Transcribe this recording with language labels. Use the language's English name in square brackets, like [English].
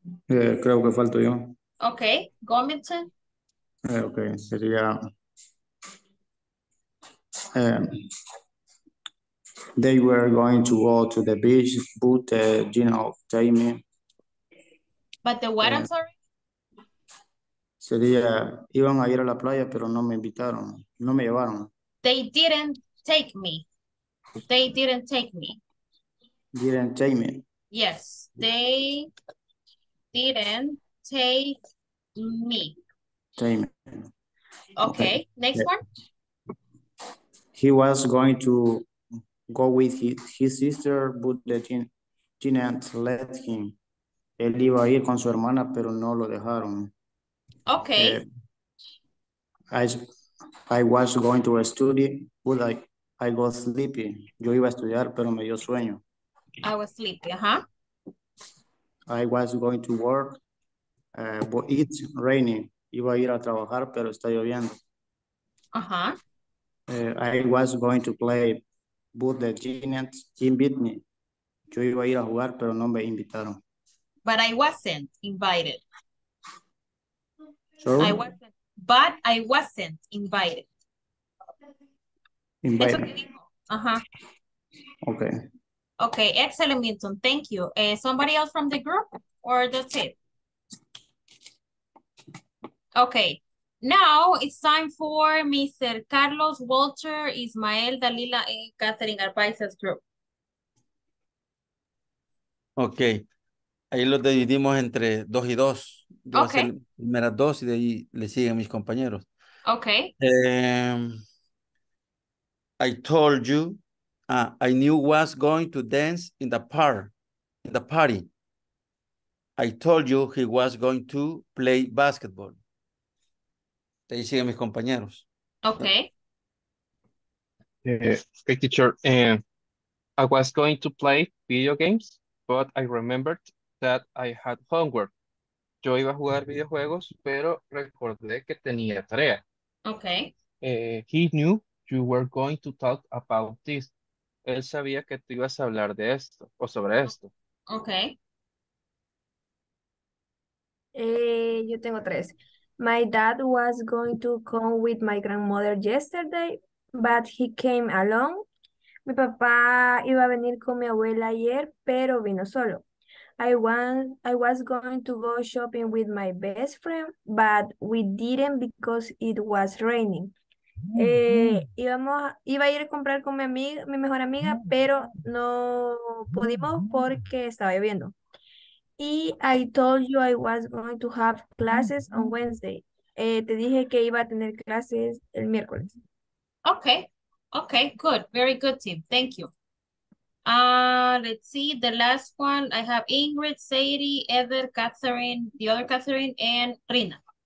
[Spanish] Creo que falto yo. [English] Okay, Gomington. [Spanish] Okay, sería. [English] They were going to go to the beach, but you know, Jamie. But the what? I'm sorry. [Spanish] Sería iban a ir a la playa, pero no me invitaron, no me llevaron. [English] They didn't take me. They didn't take me. Didn't take me. Yes, they didn't take me. Take me. Okay, next one. He was going to go with his sister, but didn't let him. [Spanish] Él iba a ir con su hermana, pero no lo dejaron. [English] Okay. I was going to study, but I got sleepy. [Spanish] Yo iba a estudiar, pero me dio sueño. [English] I was sleepy, huh? I was going to work, but it's raining. [Spanish] Iba a ir a trabajar, pero está lloviendo. Uh-huh. [English] I was going to play, but the genius invited me. [Spanish] Yo iba a ir a jugar, pero no me invitaron. [English] But I wasn't invited. Sorry? I wasn't invited. Invited. Uh-huh. Okay. Okay, excellent, Milton. Thank you. Somebody else from the group, or that's it? Okay. Now it's time for Mr. Carlos, Walter, Ismael, Dalila, and Catherine Arbaiza's group. [Spanish] Okay. Ahí lo dividimos entre dos y dos. Yo okay. Primeras dos y de ahí le siguen mis compañeros. [English] Okay. I told you, I knew was going to dance in the park, in the party. I told you he was going to play basketball. [Spanish] De ahí siguen mis compañeros. [English] Okay. Hey, teacher, I was going to play video games, but I remembered that I had homework. [Spanish] Yo iba a jugar videojuegos, pero recordé que tenía tarea. [English] Okay. He knew you were going to talk about this. [Spanish] Él sabía que tú ibas a hablar de esto, o sobre esto. [English] Okay. [Spanish] Yo tengo tres. [English] My dad was going to come with my grandmother yesterday, but he came alone. [Spanish] Mi papá iba a venir con mi abuela ayer, pero vino solo. [English] I was going to go shopping with my best friend, but we didn't because it was raining. [Spanish] Iba a ir a comprar con mi mejor amiga, pero no pudimos porque estaba lloviendo. [English] Y I told you I was going to have classes on Wednesday. [Spanish] Te dije que iba a tener clases el miércoles. [English] Okay. Okay, good. Very good, team. Thank you. Let's see, the last one, I have Ingrid, Sadie, Ever, Catherine, the other Catherine, and Rina.